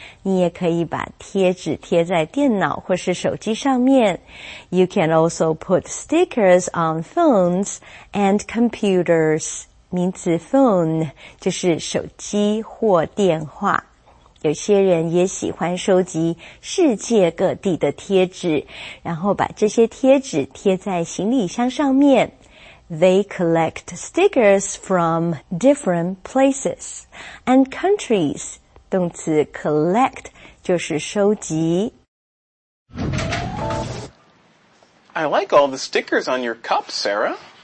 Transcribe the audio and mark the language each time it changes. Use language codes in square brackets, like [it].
[zh] 你也可以把贴纸贴在电脑或是手机上面。 [en] You can also put stickers on phones and computers. [zh] 名词 phone 就是手机或电话。有些人也喜欢收集世界各地的贴纸，然后把这些贴纸贴在行李箱上面。 [en] They collect stickers from different places and countries. [zh] 动词 collect 就是收集。 [en] I like all the stickers on your cup, Sarah.